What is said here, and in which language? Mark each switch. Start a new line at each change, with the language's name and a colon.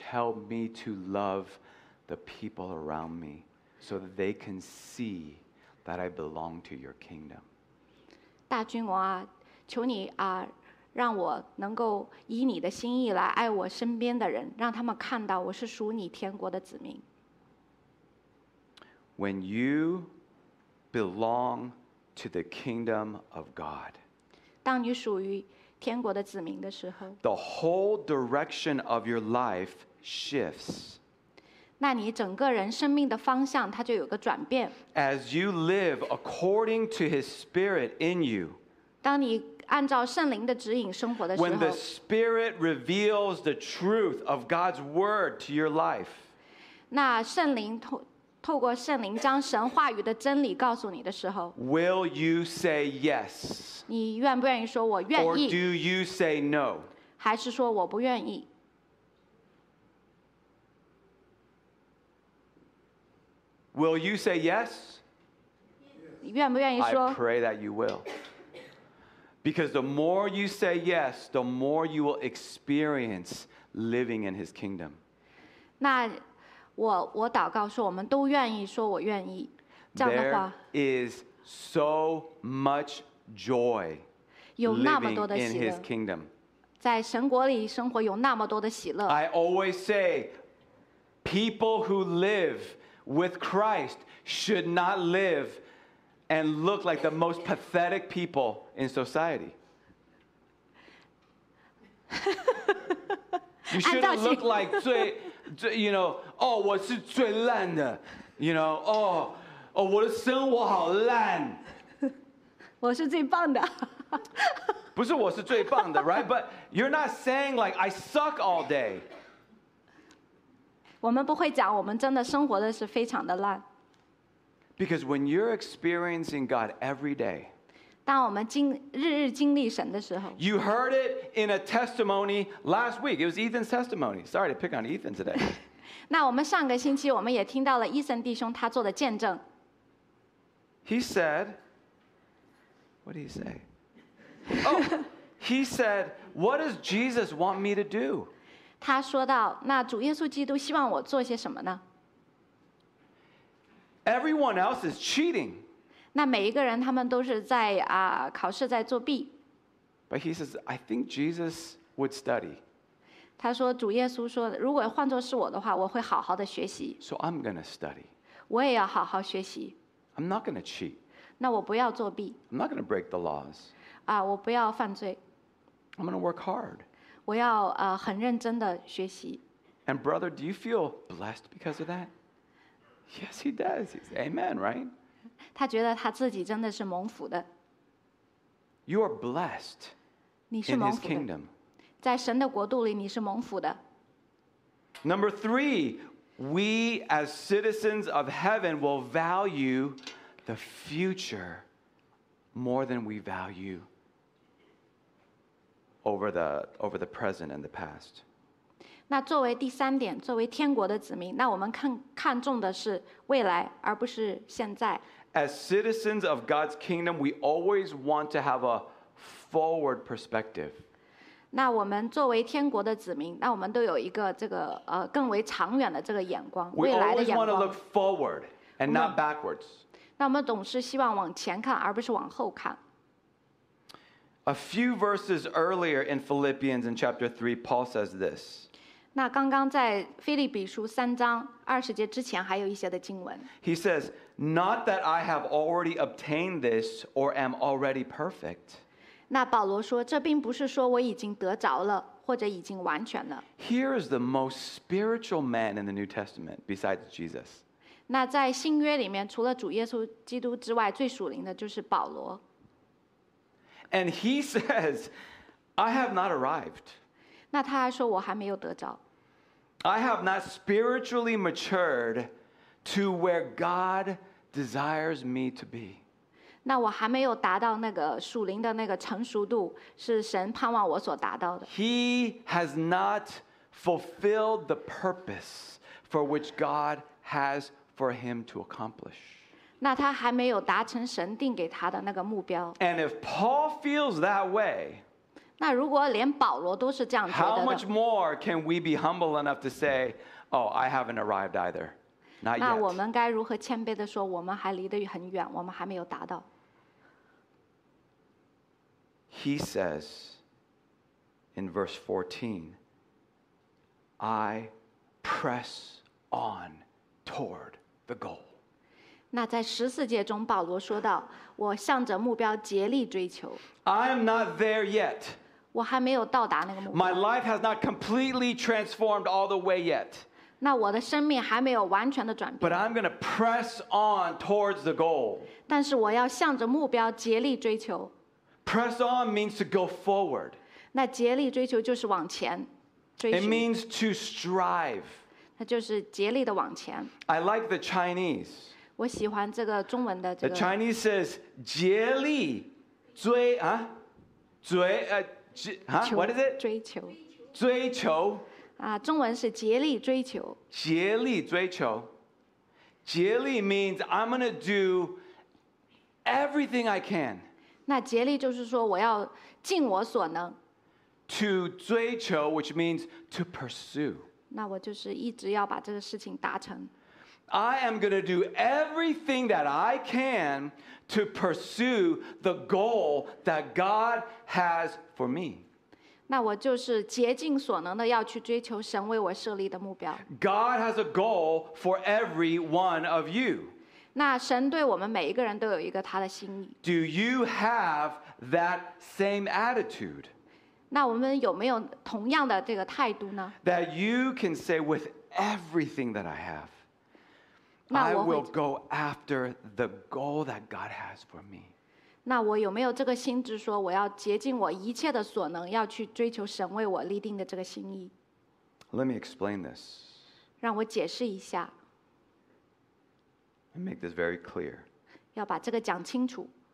English: Help me to love the people around me so that they can see that I belong to your kingdom。
Chinese: 大君王啊，求你啊！让我能够以你的心意来爱我身边的人，让他们看到我是属你天国的子民。
English: When you belong to the kingdom of God,
Chinese: 当你属于天国的子民的时候，
English: the whole direction of your life shifts.
Chinese: 那你整个人生命的方向它就有个转变。
English: As you live according to His Spirit in you,
Chinese: 当你按照圣灵的指引生活的时候，
English: when the Spirit reveals the truth of God's Word to your life,
Chinese: 那圣灵透过圣灵将神话语的真理告诉你的时候，
English: Will you say yes?
Chinese: 你愿不愿意说我愿意？
English: Or do you say no?
Chinese: 还是说我不愿意？
English: Will you say yes?
Chinese: 你愿不愿意说？
English: I pray that you will. Because the more you say yes, the more you will experience living in His kingdom.
Chinese: 那我祷告说我们都愿意说我愿意，这样的话
English: There is so much joy living in His kingdom.
Chinese: 在神国里生活有那么多的喜乐。
English: I always say people who live with Christ should not live and look like the most pathetic people in society. You shouldn't look like
Chinese: 最
English: You know, oh,
Chinese: 我是最烂的
English: You know, oh, oh,
Chinese: 我的生活好烂我是最棒的不是我是最棒的
English: right? But you're not saying like, I suck all day.
Chinese: 我们不会讲我们真的生活的是非常的烂
English: Because when you're experiencing God every day,
Chinese: 当我们日日经历神的时候
English: You heard it in a testimony last week. It was Ethan's testimony. Sorry to pick on Ethan today.
Chinese: 那我们上个星期我们也听到了 Ethan 弟兄他做的见证。
English: He said, what did he say? Oh, he said, what does Jesus want me to do?
Chinese: 他说到那主耶稣基督希望我做些什么呢？
English: Everyone else is cheating.
Chinese: 那每一个人他们都是在考试在作弊。
English: But he says, I think Jesus would study.
Chinese: 他说主耶稣说如果换作是我的话我会好好的学习。
English: So I'm going to study.
Chinese: 我也要好好学习。
English: I'm not going to cheat.
Chinese: 那我不要作弊。
English: I'm not going to break the laws.
Chinese: 我不要犯罪。
English: I'm going to work hard.
Chinese: 我要很认真的学习。
English: And brother, do you feel blessed because of that? Yes, he does. He says, Amen, right?
Chinese: 他觉得他自己真的是蒙福的。
English: You are blessed in His kingdom.
Chinese: 在神的国度里，你是蒙福的。
English: Number three, we as citizens of heaven will value the future more than we value over the present and the past.
Chinese: 那作为第三点，作为天国的子民，那我们看重的是未来，而不是现在。
English: As citizens of God's kingdom, we always want to have a forward perspective.
Chinese: 那我们作为天国的子民，那我们都有一个这个更为长远的这个眼光，未来的眼光。
English: We always want to look forward and not backwards.
Chinese: 那我们总是希望往前看，而不是往后看。
English: A few verses earlier in Philippians in chapter 3, Paul says this.
Chinese: 那刚刚在腓立比书三章二十节之前还有一些的经文。
English: He says,Not that I have already obtained this or am already perfect.
Chinese: 那保罗说，这并不是说我已经得着了，或者已经完全了。
English: Here is the most spiritual man in the New Testament besides Jesus.
Chinese: 那在新约里面，除了主耶稣基督之外，最属灵的就是保罗。
English: And he says, I have not arrived.
Chinese: 那他还说，我还没有得着。
English: I have not spiritually matured. To where God desires me to be.
Chinese: 那我还没有达到那个属灵的那个成熟度，是神盼望我所达到的。
English: He has not fulfilled the purpose for which God has for him to accomplish.
Chinese: 那他还没有达成神定给他的那个目标。
English: And if Paul feels that way,
Chinese: 那如果连保罗都是这样觉得的
English: How much more can we be humble enough to say, Oh, I haven't arrived either?
Chinese: 那我们该如何谦卑地说我们还离得很远我们还没有达到
English: He says in verse 14, I press on toward the goal.
Chinese: 那在十四节中，保罗说到：“我向着目标竭力追求。”
English: I am not there yet.
Chinese: 我还没有到达那个目标。
English: My life has not completely transformed all the way yet.
Chinese: 那我的生命还没有完全的转变。
English: But I'm going to press on towards the goal.
Chinese: 但是我要向着目标竭力追求。
English: Press on means to go forward.
Chinese: 那竭力追求就是往前追求。
English: It means to strive.
Chinese: 那就是竭力的往前。
English: I like the Chinese.
Chinese: 我喜欢这个中文的这个。
English: The Chinese says,
Chinese: 竭力追啊，追啊，啊
English: ，What is it?
Chinese: 追求。追求。啊，中文是竭力追求。竭力追求。
English: 竭力 means I'm going to do everything I can.
Chinese: 那竭力就是说我要尽我所能。
English: To 追求 which means to pursue.
Chinese: 那我就是一直要把这个事情达成。
English: I am going to do everything that I can to pursue the goal that God has for me.
Chinese: 那我就是竭尽所能的要去追求神为我设立的目标。
English: God has a goal for every one of you.
Chinese: 那神对我们每一个人都有一个他的心意。
English: Do you have that same attitude?
Chinese: 那我们有没有同样的这个态度呢？
English: That you can say with everything that I have. I will go after the goal that God has for me.
Chinese: 那我有没有这个心智说我要竭尽我一切的所能要去追求神为我立定的这个心意？
English: Let me explain this.
Chinese: 让我解释一下。
English: And make this very clear.
Chinese: 要把这个讲清楚。